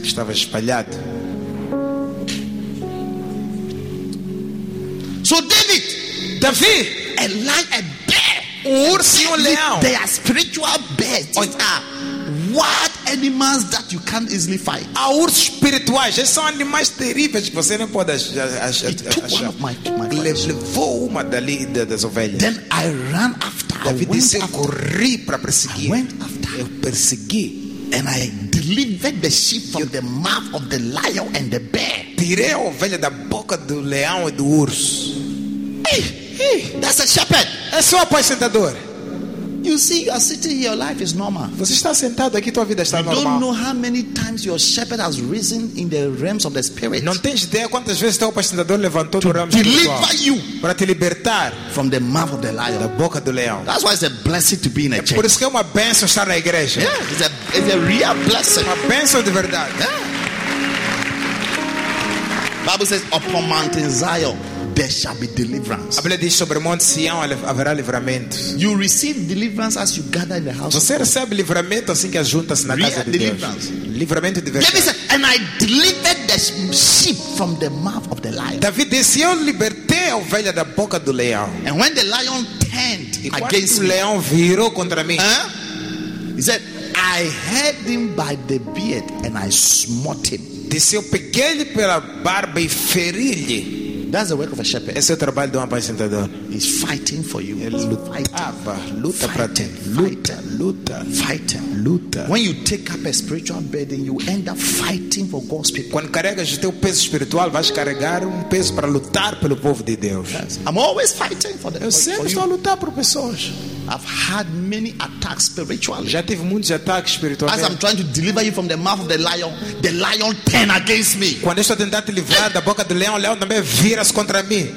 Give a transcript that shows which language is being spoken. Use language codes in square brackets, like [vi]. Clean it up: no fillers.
[pt] Estava espalhado. [en] So David, [pt] Davi, [en] a lion, a bear, [pt] um urso e um leão. [en] They are spiritual bears. These are wild animals that you can't easily fight. [pt] Há ursos espirituais. Esses são animais terríveis que você não pode achar. Levou uma das ovelhas. [en] Then I ran after. [pt] Davi disse, eu corri para perseguir. [en] I went after. [pt] Eu persegui. [en] And I delivered the sheep from the mouth of the lion and the bear. [pt] Tirei a ovelha da boca do leão e do urso. [en] That's a shepherd. [pt] É só apacentador. [en] You see, you are sitting here, your life is normal. [pt] Você está sentado aqui, tua vida está normal. [en] You don't know how many times your shepherd has risen in the realms of the spirit. [pt] Não tens ideia quantas vezes teu apacentador levantou [en] to [pt] no ramo espiritual. [en] Deliver you [pt] para te libertar [en] from the mouth of the lion. [pt] Da boca do leão. [en] That's why it's a blessing to be in a church. [pt] É por isso que é uma bênção estar na igreja. [en] Yeah, it's a real blessing. [pt] Uma bênção de verdade. Yeah. [en] Bible says, upon Mount Zion, there shall be deliverance. [pt] A Bíblia diz sobre Monte Sião haverá livramento. [en] You receive deliverance as you gather in the house. [pt] Você recebe livramento assim que ajuntas na casa de Deus. Livramento de verdade. [en] David said, and I delivered the sheep from the mouth of the lion. [pt] David disse, eu libertei a ovelha da boca do leão. [en] And when the lion turned against me, [pt] o leão virou contra mim. Huh? [en] He said, I held him by the beard and I smote him. [pt] Disse, eu peguei-lhe pela barba e feri-lhe. [en] That's the work of a shepherd. [pt] Esse é o trabalho de um apacentador. [en] He's fighting for you. [pt] Ele lutava, luta para ti. Luta. [en] When you take up a spiritual burden, you end up fighting for God's people. [pt] Quando carregas o teu peso espiritual, vais carregar um peso para lutar pelo povo de Deus. [en] Yes. I'm always fighting for them. [pt] Eu sempre estou a lutar por pessoas. [en] I've had many attacks spiritually. [pt] Já tive muitos ataques espirituais. [en] As I'm trying to deliver you from the mouth of the lion turn against me. [pt] Quando estou a tentar te livrar da boca do leão, o leão também vira contra mim.